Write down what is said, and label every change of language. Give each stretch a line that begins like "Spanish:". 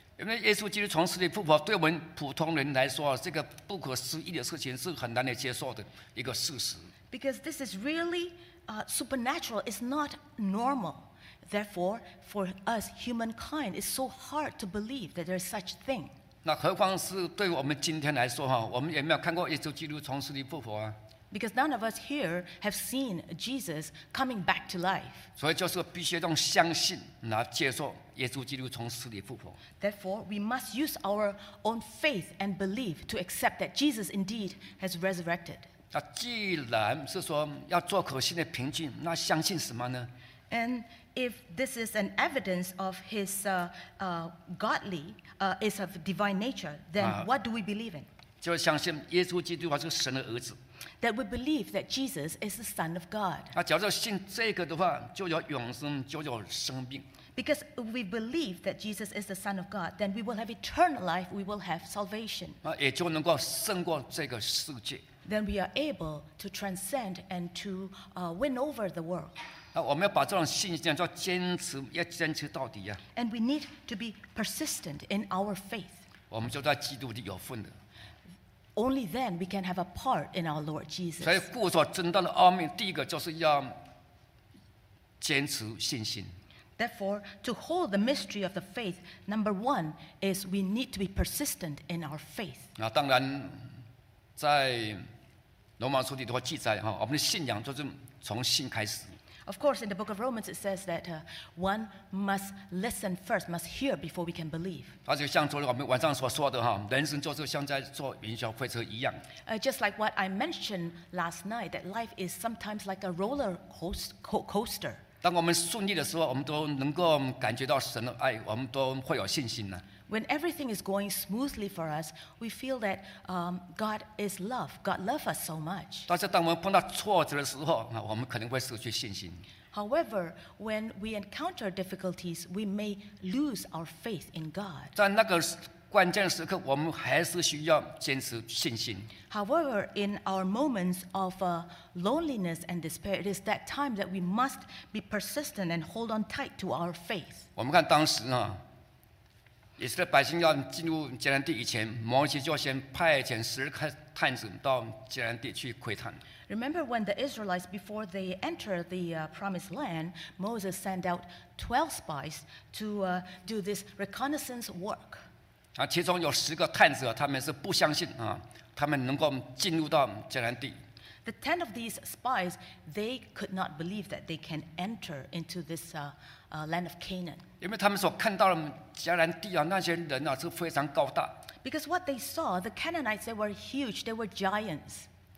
Chinese: 因为耶稣基督从死里复活，对我们普通人来说，这个不可思议的事情是很难的接受的一个事实。
English: Because this is really supernatural, it's not normal. Therefore, for us, humankind, it's so hard to believe that there is such thing.
Chinese: 那何况是对我们今天来说哈，我们也没有看过耶稣基督从死里复活啊。
English: Because none of us here have seen Jesus coming back to life.
Chinese: 所以就是必须要相信，来接受耶稣基督从死里复活。
English: Therefore, we must use our own faith and belief to accept that Jesus indeed has resurrected.
Chinese: 那既然是说要做可信的凭据，那相信什么呢？
English: And if this is an evidence of his godly, is of divine nature, then what do we believe in?
Chinese: 就相信耶稣基督是神的儿子。
English: That we believe that Jesus is the Son of God.
Chinese: 啊，假如信这个的话，就有永生，就有生命。
English: Because we believe that Jesus is the Son of God, then we will have eternal life. We will have salvation.
Chinese: 啊，也就能够胜过这个世界。
English: Then we are able to transcend and to win over the world.
Chinese: 那我们要把这种信心叫坚持，要坚持到底呀。
English: And we need to be persistent in our faith.
Chinese: 我们就在基督里有份的。
English: Only then we can have a part in our Lord Jesus.
Chinese: 所以故说真道的奥秘，第一个就是要坚持信心。
English: Therefore, to hold the mystery of the faith, number one is we need to be persistent in our faith.
Chinese: 那当然。在罗马书里头记载哈，我们的信仰就是从信开始。
English: Of course, in the book of Romans, it says that one must listen first, must hear before we can believe.
Chinese: 而且像昨天我们晚上所说的哈，人生就是像在坐云霄飞车一样。
English: Just like what I mentioned last night, that life is sometimes like a roller coaster.
Chinese: 当我们顺利的时候，我们都能够感觉到神的爱，我们都会有信心呢。
English: When everything is going smoothly for us, we feel that God is love. God loves us so much.
Chinese: 但是当我们碰到挫折的时候，那我们可能会失去信心。
English: However, when we encounter difficulties, we may lose our faith in God.
Chinese: 在那个关键时刻，我们还是需要坚持信心。
English: However, in our moments of loneliness and despair, it is that time that we must be persistent and hold on tight to our faith.
Chinese: 我们看当时呢。以色列百姓要进入迦南地以前，摩西就先派遣十个探子到迦南地去窥探。
English: Remember when the Israelites before they enter the promised land, Moses sent out 12 spies to do this reconnaissance work.
Chinese: 啊，其中有十个探子，他们是不相信啊，他们能够进入到迦南地。
English: the 10 of these spies, they could not believe that they can enter into this land of Canaan. Because what they saw, the Canaanites, they were huge, they were giants.